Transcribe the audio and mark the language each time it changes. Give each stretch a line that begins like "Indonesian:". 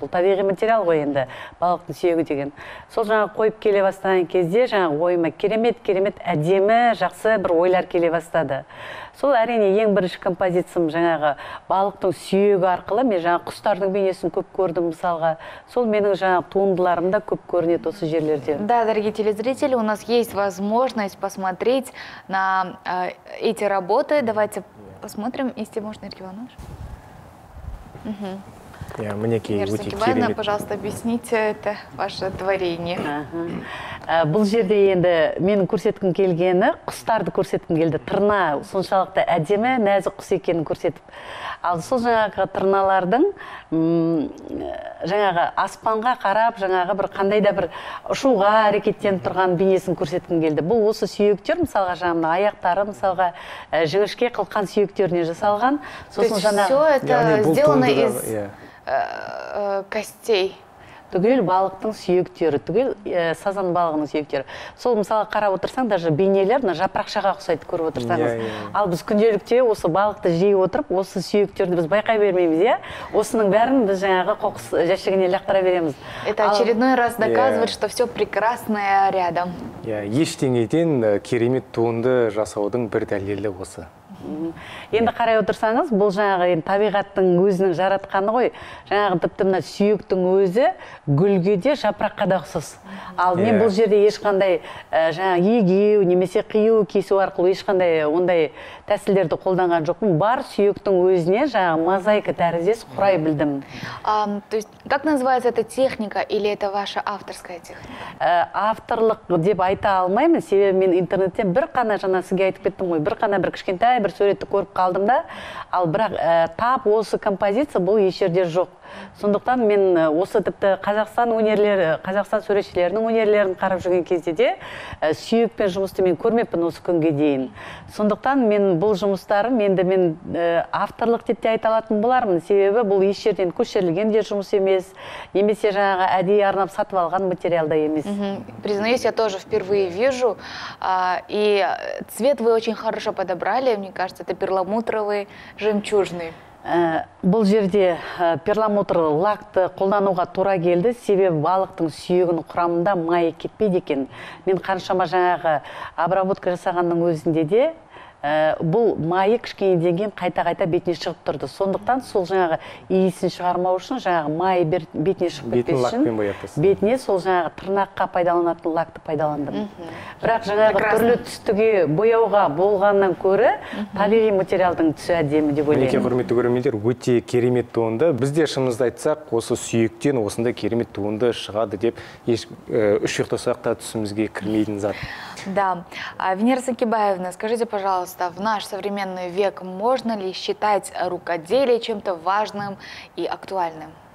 Kazakh: Бұл табиғи материал ғой енді балықтың сүйегі деген. Сол жаңағы қойып келе бастаған кезде жаңағы ойыма керемет-керемет әдемі жақсы бір ойлар келе бастады. Сол әрине ең бірінші композициям жаңағы балықтың сүйегі арқылы мен жаңағы құстардың бейнесін көп көрдім мысалға. Сол менің жаңағы туындыларымда көп көрінеді осы жерлерде.
Russian: Да, дорогие телезрители, у нас есть возможность посмотреть на эти работы. Давайте посмотрим, если можно, Ирина Ивановна. Мерсенкибайна, пожалуйста, объясните это ваше творение.
Kazakh: Бұл жерде енді менің көрсеткім келгені, құстарды көрсеткім келді. Тырна соншалықты әдемі, нәзік құс екенін көрсетіп. Ал сол жаңағы тырналардың жаңағы аспанға қарап, жаңағы бір қандай да бір ұшуға әрекеттен тұрған бейнесін көрсеткім келді. Бұл осы сүйектер, мысалға жаңағы аяқтары, мысалға жіңішке қылқан сүйектеріне жасалған. Сосын жаңағы...
Russian: Все это сделано из костей.
Kazakh: Түгел балықтың сүйектері, түгел сазан балығының сүйектері. Сол мысалы қарап отырсаң, даже бейнелер жапырақшаға ұқсайды көріп отырсаңыз. Ал біз күнделікте осы балықты жей отырып, осы сүйектерді біз байқай бермейміз, иә? Осының бәрін біз жаңағы қоқыс жәшігіне лақтыра береміз.
Russian: Это очередной раз доказывает, что все прекрасное рядом.
Kazakh: Иә, ештеңеден керемет туынды жасаудың бір дәлелі осы. Енді қарай отырсаңыз, бұл жаңағы енді табиғаттың өзінің жаратқаны ғой. Жаңағы тіпті мына сүйектің өзі гүлге де жапыраққа да ұқсас. Ал мен бұл жерде ешқандай жаңағы егеу немесе қию кесу арқылы ешқандай ондай тәсілдерді қолданған жоқпын. Бар сүйектің өзіне жаңағы мозаика тәріздес құрай білдім.
Russian: То есть как называется эта техника или это ваша авторская техника?
Kazakh: Авторлық деп айта алмаймын, себебі мен интернеттен бір қана жаңа сізге айтып кеттім ғой, бір қана бір кішкентай бір суретті көріп қалдым да, ал бірақ тап осы композиция бұл еш жерде жоқ. Сондықтан мен осы тіпті Қазақстан суретшілерінің өнерлерін қарап жүрген кезде де сүйекпен жұмысты мен көрмеппін осы күнге дейін. Сондықтан мен бұл жұмыстарым енді мен авторлық деп те айта алатын болармын. Себебі бұл еш жерден көшірілген де жұмыс емес, немесе жаңағы әдейі арнап сатып алған материал да емес.
Russian: Признаюсь, я тоже впервые вижу. И цвет вы очень хорошо подобрали. Мне кажется, это перламутровый, жемчужный.
Kazakh: Бұл жерде перламутр лақты қолдануға тура келді, себебі балықтың сүйегінің құрамында май кетпейді екен. Мен қаншама жаңағы обработка жасағанның өзінде де бұл майы кішкене деген қайта-қайта бетіне шығып тұрды. Сондықтан сол жаңағы иісін шығармау үшін жаңағы майы бетіне шығып кетпес үшін бетіне сол жаңағы тырнаққа пайдаланатын лақты пайдаландым. Бірақ жаңағы түрлі түстіге бояуға болғаннан көрі табиғи материалдың түсі әдемі деп ойлаймын. Мінекей құрметті көрермендер, өте керемет туынды. Бізде шынымызды айтсақ, осы сүйектен осындай керемет туынды шығады деп үш ұйықтасақ та түсімізге кірмейтін зат.
Russian: Да. Венера Сакибаевна, скажите, пожалуйста, в наш современный век можно ли считать рукоделие чем-то важным и актуальным?